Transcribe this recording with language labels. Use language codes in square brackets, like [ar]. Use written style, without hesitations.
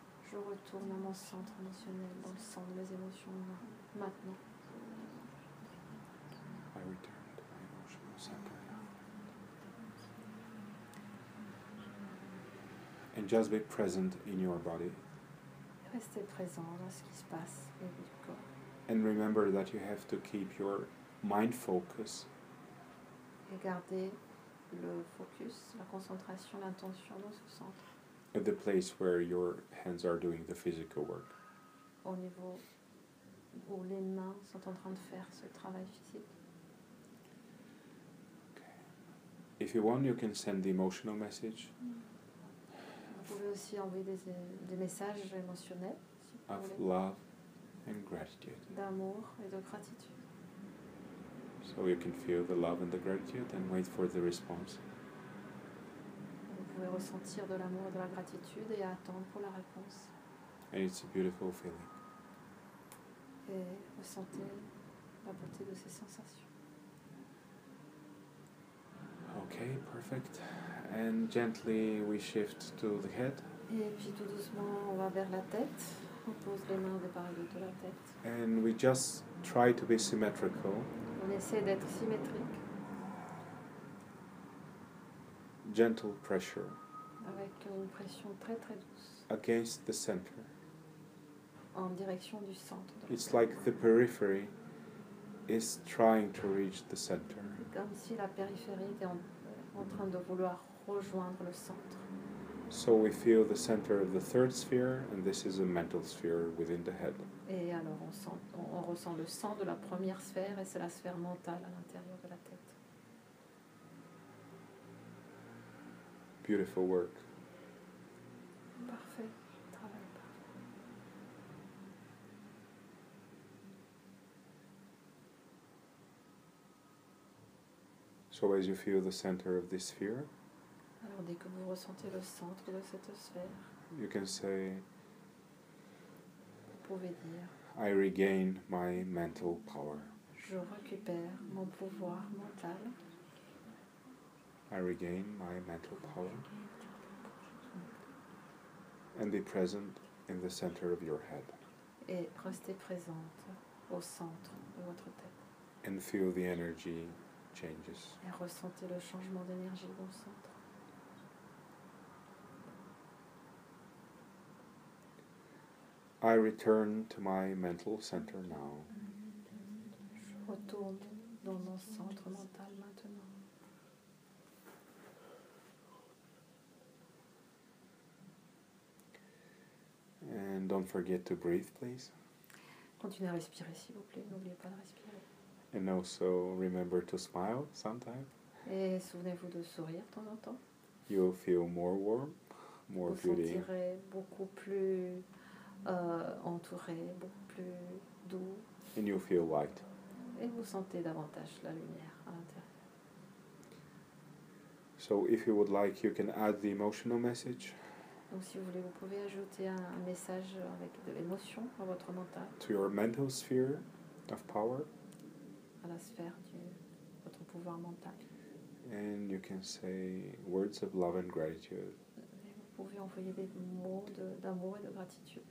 [fr] Je retourne à mon centre émotionnel, dans le centre de mes émotions [en] now, [fr] maintenant. [en] I return to my emotional center. And just be present in your body. [fr] Restez présent dans ce qui se passe dans votre corps. [en] And remember that you have to keep your mind focus. [fr] Et gardez le focus, la concentration, l'intention dans ce centre. [en] At the place where your hands are doing the physical work. [fr] Au niveau où les mains sont en train de faire ce travail physique. [en] Okay. If you want, you can send the emotional message. Mm. [fr] Vous pouvez aussi envoyer des messages émotionnels, si [en] of love and gratitude. [fr] D'amour et de gratitude. [en] So you can feel the love and the gratitude and wait for the response. [fr] Vous pouvez ressentir de l'amour et de la gratitude et attendre pour la réponse. [en] And it's a beautiful feeling. [fr] Et ressentez la beauté de ces sensations. [en] Okay, perfect. And gently we shift to the head. [fr] Et puis tout doucement on va vers la tête. On pose les mains de par de la tête. [en] And we just try to be symmetrical. [fr] On essaie d'être symétrique. [en] Gentle pressure. [fr] Avec une pression très très douce. [en] Against the center. [fr] En direction du centre. [en] It's like the periphery is trying to reach the center. [fr] Comme si la périphérie était en train de vouloir rejoindre le centre. [en] So we feel the center of the third sphere, and this is a mental sphere within the head. [fr] Et alors on ressent le centre de la première sphère, et c'est la sphère mentale à l'intérieur de la tête. [en] Beautiful work. [fr] Parfait. Travail parfait. [en] So as you feel the center of this sphere, [fr] demander que vous ressentez le centre de cette sphère. [en] You can say, [fr] vous pouvez dire, [en] I regain my mental power. [fr] Je récupère mon pouvoir mental. [en] I regain my mental power. And be present in the center of your head. [fr] Et restez présente au centre de votre tête. [en] And feel the energy changes. [fr] Et ressentez le changement d'énergie au centre. [en] I return to my mental center now. [fr] Je retourne dans mon centre mental maintenant. [en] And don't forget to breathe, please. [fr] Continuez à respirer, s'il vous plaît. N'oubliez pas de respirer. [en] And also remember to smile sometimes. [fr] Et souvenez-vous de sourire de temps en temps. [en] You'll feel more warm, more [fr] vous [en] beauty. [fr] Vous sentirez beaucoup plus entouré, beaucoup plus doux. [en] And you'll feel light. [fr] Et vous sentez davantage la lumière à l'intérieur. [en] So if you would like, you can add the emotional message. [fr] Donc si vous voulez, vous pouvez ajouter un message avec de l'émotion à votre mental. [en] To your mental sphere of power. [fr] À la sphère de votre pouvoir mental. [en] And you can say words of love and gratitude. [fr] Et vous pouvez envoyer des mots d'amour et de gratitude.